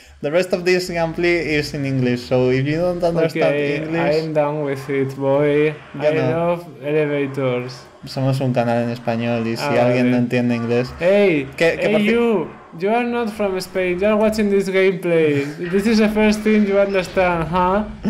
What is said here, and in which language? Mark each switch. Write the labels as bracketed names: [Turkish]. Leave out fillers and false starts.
[English] The rest of this gameplay is in English, so if you don't understand English... I'm down with it, boy. I love elevators. [Spanish] Somos un canal en español y si alguien no entiende inglés... [English] Hey, you are not from Spain, you are watching this gameplay. This is the first thing you understand, huh?